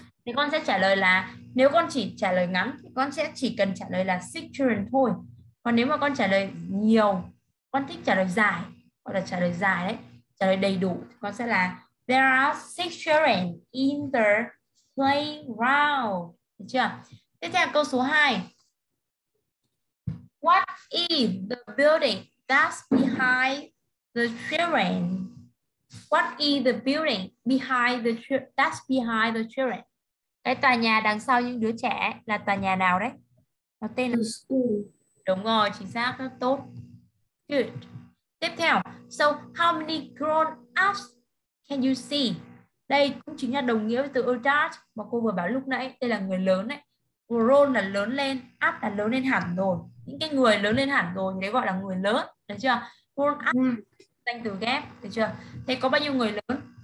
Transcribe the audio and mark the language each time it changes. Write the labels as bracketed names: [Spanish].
[Vietnamese] Thì con sẽ trả lời là nếu con chỉ trả lời ngắn thì con sẽ chỉ cần trả lời là 6 children thôi. Còn nếu mà con trả lời nhiều, con thích trả lời dài, gọi là trả lời dài đấy. Trả lời đầy đủ con sẽ là [English] there are six children in the playground, [Vietnamese] được chưa? Tiếp theo câu số 2. [English] What is the building that's behind the children? What is the building behind the that's behind the children? [Vietnamese] Cái tòa nhà đằng sau những đứa trẻ là tòa nhà nào đấy? Nó tên là [English] school. [Vietnamese] Đúng rồi, chính xác, rất tốt. [English] Good. [Vietnamese] Tiếp theo, [English] so how many grown-ups can you see? [Vietnamese] Đây cũng chính là đồng nghĩa với từ adult mà cô vừa bảo lúc nãy. Đây là người lớn đấy. Grown là lớn lên, up là lớn lên hẳn rồi. Những cái người lớn lên hẳn rồi, đấy gọi là người lớn, được chưa? Grown-up, danh từ ghép, được chưa? Thế có bao nhiêu người lớn?